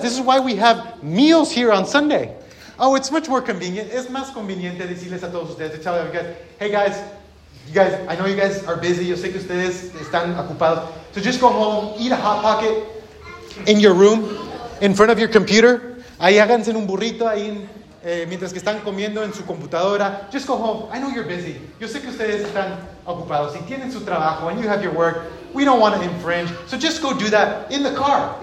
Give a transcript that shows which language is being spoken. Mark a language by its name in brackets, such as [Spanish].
[English] This is why we have meals here on Sunday. Oh, it's much more convenient. [Spanish] Es más conveniente decirles a todos ustedes, [English] to tell you guys, hey guys, you guys, I know you guys are busy. [Spanish] Yo sé que ustedes están ocupados. [English] So just go home, eat a Hot Pocket. In your room, in front of your computer. [Spanish] Ahí háganse un burrito ahí mientras que están comiendo en su computadora. [English] Just go home. I know you're busy. [Spanish] Yo sé que ustedes están ocupados. Si tienen su trabajo [English] and you have your work, we don't want to infringe. So just go do that in the car.